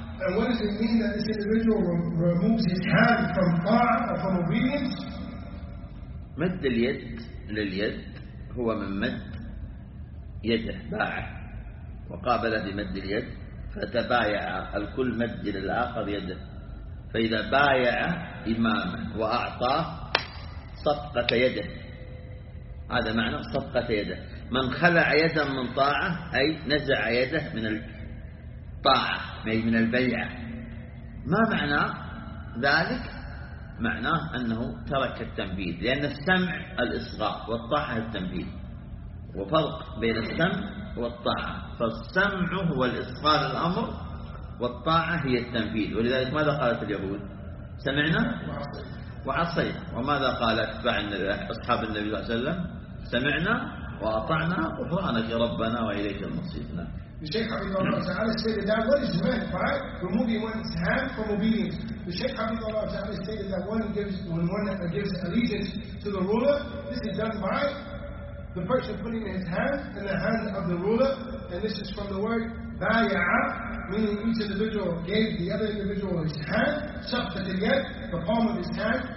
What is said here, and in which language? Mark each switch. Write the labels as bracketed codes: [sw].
[en] And what does it mean that this individual removes his hand from طاعة or from obedience? [ar] مد اليد لليد هو من مد يده باعه وقابل بمد اليد فتبايع الكل مد للآخر يده فإذا بايع إمامه وأعطاه صفقة يده هذا معنى صفقة يده من خلع يدا من طاعة أي نزع يده من الطاعة أي من البيعة ما معنى ذلك معناه أنه ترك التنبيذ لأن السمع الإصغاء والطاعة التنبيذ وفرق بين السمع والطاعة فالسمع هو الإصغاء الأمر والطاعة هي التنبيذ ولذلك ماذا قالت اليهود سمعنا وعصينا وماذا قال أصحاب النبي صلى الله عليه وسلم سمعنا وأطعنا غفرانك ربنا وإليك المصير. [en] الشيخ عبد الله تعالى stated that what is meant by removing one's hand from obedience. The Sheikh عبد الله تعالى stated that when one gives allegiance to the ruler, this is done by the person putting his hand in the hand of the ruler, and this is from the word بايع, meaning each individual gave the other individual his hand, [ar] صفقة اليد, [en] the palm of his hand.